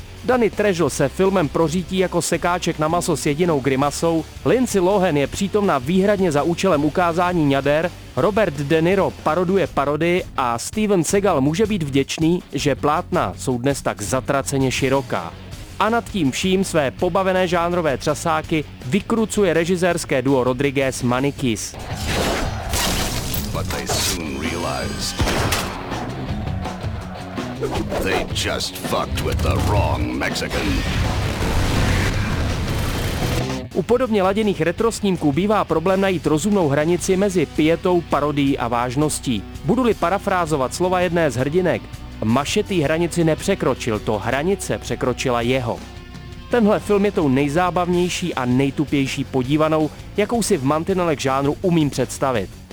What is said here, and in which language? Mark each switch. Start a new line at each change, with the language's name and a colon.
Czech: Danny Trejo se filmem prořítí jako sekáček na maso s jedinou grimasou, Lindsay Lohan je přítomná výhradně za účelem ukázání ňader, Robert De Niro paroduje parody a Steven Seagal může být vděčný, že plátna jsou dnes tak zatraceně široká. A nad tím vším své pobavené žánrové třasáky vykrucuje režisérské duo Rodriguez Manikis.
English: But they soon realized they just fucked with the wrong Mexican.
Czech: U podobně laděných retrosnímků bývá problém najít rozumnou hranici mezi pietou, parodií a vážností. Budu-li parafrázovat slova jedné z hrdinek, Machete hranici nepřekročil, to hranice překročila jeho. Tenhle film je tou nejzábavnější a nejtupější podívanou, jakou si v mantinelech žánru umím představit.